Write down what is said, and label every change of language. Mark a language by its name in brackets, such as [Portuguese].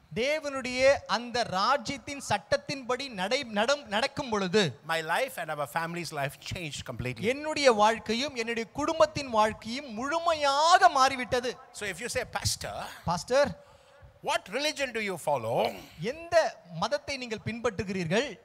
[Tamil] தேவனுடைய அந்த ராஜ்யத்தின் சட்டத்தின்படி நடக்கும் பொழுது [English] my life and our family's life changed completely [Tamil] என்னுடைய வாழ்க்கையும் என்னுடைய குடும்பத்தின் வாழ்க்கையும் முழுமையாக மாறிவிட்டது [English] so if you say pastor pastor what religion do you follow [Tamil] எந்த மதத்தை நீங்கள் பின்பற்றுகிறீர்கள்